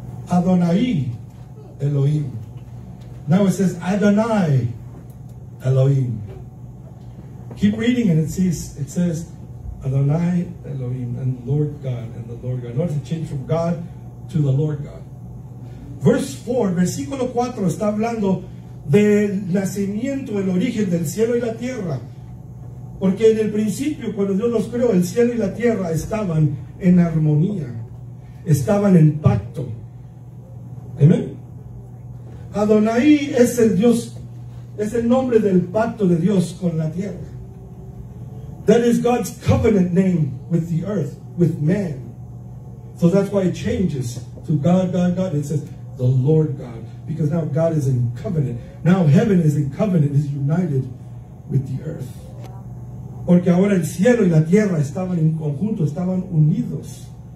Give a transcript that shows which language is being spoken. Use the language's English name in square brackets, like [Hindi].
[English] Adonai Elohim. Now it says Adonai Elohim. Keep reading and it says Adonai Elohim and Lord God and the Lord God. Notice it changed from God to the Lord God. Verse 4, [Spanish] versículo 4, está hablando del nacimiento, el origen del cielo y la tierra. Porque en el principio, cuando Dios los creó, el cielo y la tierra estaban en armonía. Estaban en pacto. ¿Amén? Adonai es el Dios, es el nombre del pacto de Dios con la tierra. [English] That is God's covenant name with the earth, with man. So that's why it changes to God, God, God. It says the Lord God, because now God is in covenant. Now heaven is in covenant, is united with the earth. [Spanish] Porque ahora el cielo y la tierra estaban en conjunto, estaban unidos.